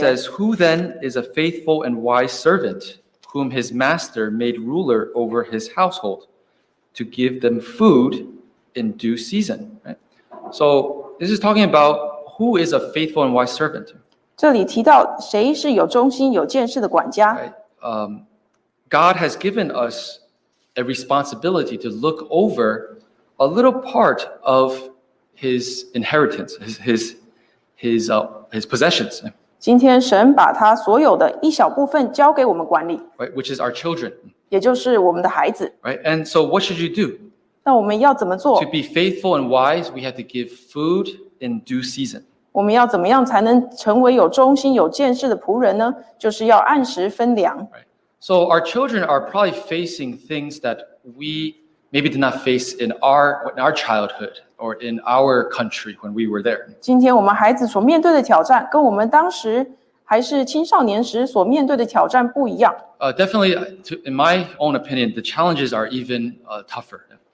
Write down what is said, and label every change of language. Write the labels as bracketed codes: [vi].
[en] It says, "Who then is a faithful and wise servant whom his master made ruler over his household to give them food in due season?" Right? So this is talking about who is a faithful and wise servant. [zh] 这里提到谁是有忠心有见识的管家。 [en] God has given us a responsibility to look over a little part of His inheritance, His possessions. [zh] 今天神把他所有的一小部分交给我们管理。 [en] Right, which is our children. [zh] 也就是我们的孩子。 [en] Right, and so what should you do? [zh] 那我们要怎么做? [en] To be faithful and wise, we have to give food in due season. [zh] 我们要怎么样才能成为有忠心有见识的仆人呢? 就是要按时分粮。 [en] So our children are probably facing things that we maybe did not face in our childhood or in our country when we were there. [zh] 今天我们孩子所面对的挑战跟我们当时还是青少年时所面对的挑战不一样。 [en] Definitely, in my own opinion, the challenges are even tougher.